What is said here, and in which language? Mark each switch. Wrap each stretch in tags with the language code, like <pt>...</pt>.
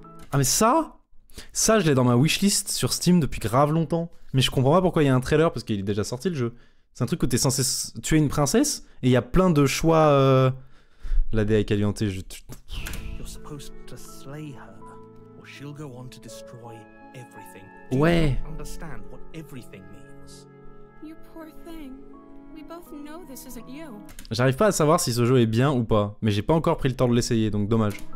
<fr>Ah mais ça ? Ça je l'ai dans ma wishlist sur Steam depuis grave longtemps. Mais je comprends pas pourquoi il y a un trailer parce qu'il est déjà sorti le jeu. C'est un truc où t'es censé tuer une princesse et il y a plein de choix... La DA est calientée, je...</fr> <en>You're supposed to slay her, or she'll go on to destroy everything. Do ouais. You understand what everything means? You poor thing. We both know this isn't you.</en> <fr>J'arrive pas à savoir si ce jeu est bien ou pas, mais j'ai pas encore pris le temps de l'essayer, donc dommage.</fr>